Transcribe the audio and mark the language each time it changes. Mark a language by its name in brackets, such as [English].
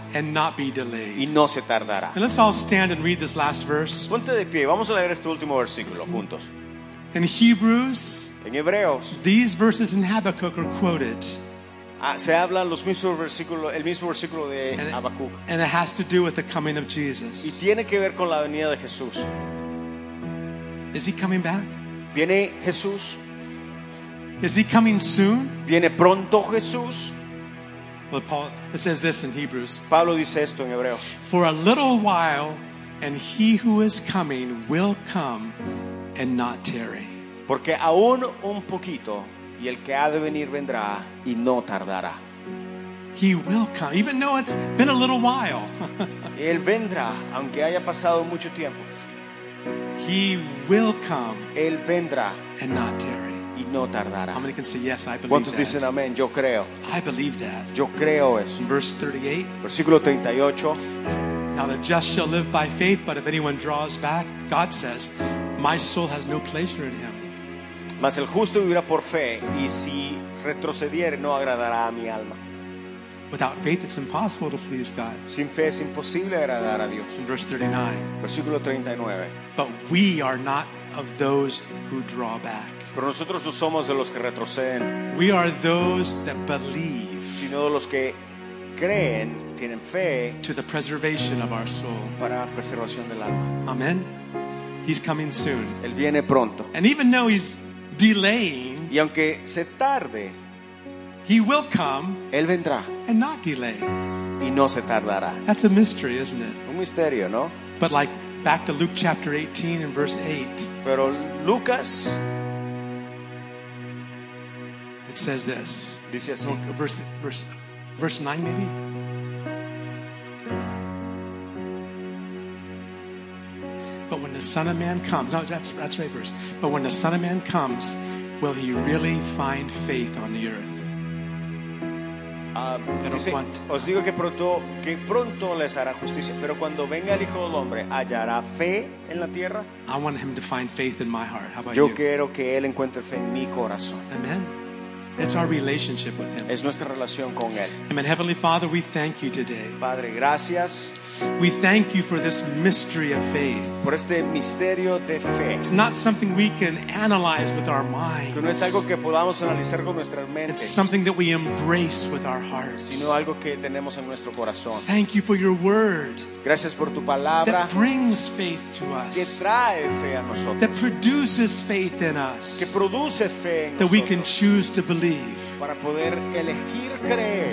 [English] And not be delayed. [Spanish] Y no se tardará. [English] And let's all stand and read this last verse. [Spanish] Ponte de pie. Vamos a leer este último versículo juntos. [English] In Hebrews. [Spanish] En Hebreos. [English] These verses in Habakkuk are quoted. [Spanish] Se hablan los mismos versículos, el mismo versículo de Habacuc. [English] And it has to do with the coming of Jesus. [Spanish] Y tiene que ver con la venida de Jesús. [English] Is he coming back? [Spanish] ¿Viene Jesús? [English] Is he coming soon? [Spanish] ¿Viene pronto Jesús? [English] Well, Paul, it says this in Hebrews. [Spanish] Pablo dice esto en Hebreos. [English] For a little while, and he who is coming will come and not tarry. [Spanish] Porque aún un poquito, y el que ha de venir vendrá, y no tardará. [English] He will come, even though it's been a little while. [Spanish] Él vendrá, aunque haya pasado mucho tiempo. [English] He will come. [Spanish] Él vendrá. [English] And not tarry. [Spanish] Y no tardará. [English] How many can say yes? I believe that. [Spanish] ¿Cuántos dicen amén? Yo creo. [English] I believe that. [Spanish] Yo creo eso. [English] Verse 38. [Spanish] Versículo 38. [English] Now the just shall live by faith, but if anyone draws back, God says, my soul has no pleasure in him. [Spanish] Mas el justo vivirá por fe, y si retrocediere, no agradará a mi alma. [English] Without faith, it's impossible to please God. [Spanish] Sin fe es imposible agradar a Dios. [English] Verse 39. [Spanish] Versículo 39. [English] But we are not of those who draw back. [Spanish] Pero nosotros no somos de los que retroceden. [English] We are those that believe. [Spanish] Sino de los que creen, tienen fe. [English] To the preservation of our soul. [Spanish] Para preservación del alma. [English] Amen. He's coming soon. [Spanish] Él viene pronto. [English] And even though he's delaying. [Spanish] Y aunque se tarde. [English] He will come. [Spanish] Él vendrá. [English] And not delay. [Spanish] Y no se tardará. [English] That's a mystery, isn't it? [Spanish] Un misterio, ¿no? [English] But like back to Luke chapter 18 and verse 8. [Spanish] Pero Lucas. [English] It says this. [Spanish] Dice así. [English] Verse 9 maybe. Son of Man comes, no, that's right verse. But when the Son of Man comes, will he really find faith on the earth? [Spanish] Os digo que pronto les hará justicia, pero cuando venga el Hijo del Hombre, ¿hallará fe en la tierra? [English] I want him to find faith in my heart. How about [Spanish] yo [English] you? [Spanish] Quiero que él encuentre fe en mi corazón. [English] Amen. It's our relationship with him. [Spanish] Es nuestra relación con él. [English] Amen. Heavenly Father, we thank you today. [Spanish] Padre, gracias. [English] We thank you for this mystery of faith. [Spanish] Por este misterio de fe. [English] It's not something we can analyze with our minds. [Spanish] Que no es algo que podamos analizar con nuestras mentes. [English] It's something that we embrace with our hearts. [Spanish] Sino algo que tenemos en nuestro corazón. [English] Thank you for your word. [Spanish] Gracias por tu palabra. [English] That brings faith to us. [Spanish] Que trae fe a nosotros. [English] That produces faith in us. [Spanish] Que produce fe en [English] that [Spanish] nosotros. [English] We can choose to believe. [Spanish] Para poder elegir creer.